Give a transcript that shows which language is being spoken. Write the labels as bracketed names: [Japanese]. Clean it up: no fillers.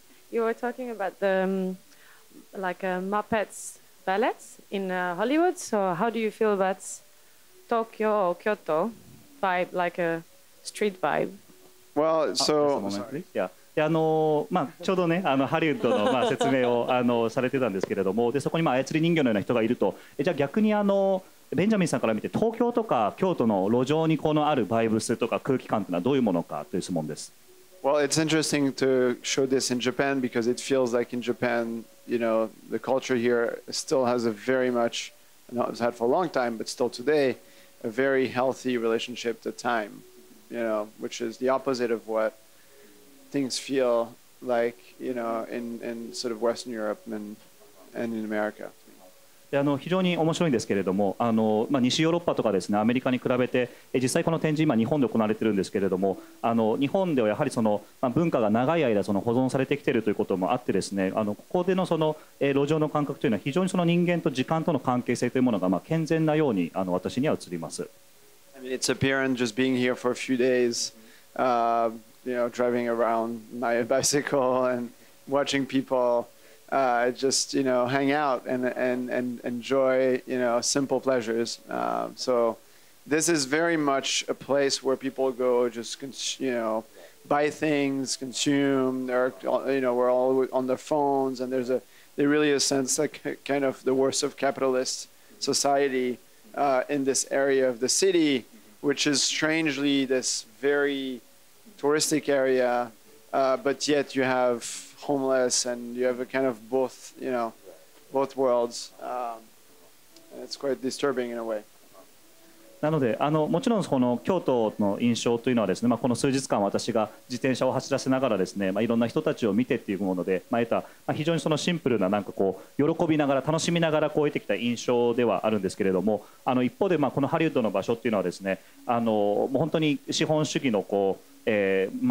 [English] You were talking about the like Muppets ballets in Hollywood. So how do you feel about Tokyo or Kyoto vibe like a street vibe? Well, so [Japanese] yeah. あの、まあ、ちょうどね、あのハリウッドの、まあ、説明をあのされてたんですけれども、でそこに、まあ、操り人形のような人がいると、じゃあ逆にあのベンジャミンさんから見て東京とか京都の路上にこのあるバイブスとか空気感というのはどういうものかという質問です。 [English] Well, it's interesting to show this in Japan because it feels like in Japan, you know, the culture here still has a very much, not had for a long time, but still today, a very healthy relationship to timeYou know, which is the opposite of what things feel like, you know, in sort of Western Europe and in America. [Japanese] あの非常に面白いんですけれども、あの、まあ、西ヨーロッパとかですね、アメリカに比べて、実際この展示今日本で行われているんですけれども、あの日本ではやはりその、まあ、文化が長い間その保存されてきているということもあってですね、あのここでのその路上の感覚というのは非常にその人間と時間との関係性というものが、まあ、健全なようにあの私には映ります。 [English] I mean, it's apparent just being here for a few days, you know, driving around my bicycle and watching people just, you know, hang out and enjoy, you know, simple pleasures. So this is very much a place where people go just, you know, buy things, consume. They're, you know, we're all on their phones, and there's a there really a sense like kind of the worst of capitalist society in this area of the city, which is strangely this very touristic area, but yet you have homeless and you have a kind of both, you know, both worlds. And it's quite disturbing in a way. [Japanese] なので、もちろんこの京都の印象というのはですね、まあ、この数日間私が自転車を走らせながらですね、まあ、いろんな人たちを見てっていうもので、まあ、得た、まあ、非常にそのシンプルな、なんかこう喜びながら楽しみながらこう得てきた印象ではあるんですけれども、一方でまあこのハリウッドの場所っていうのはですね、もう本当に資本主義のこう末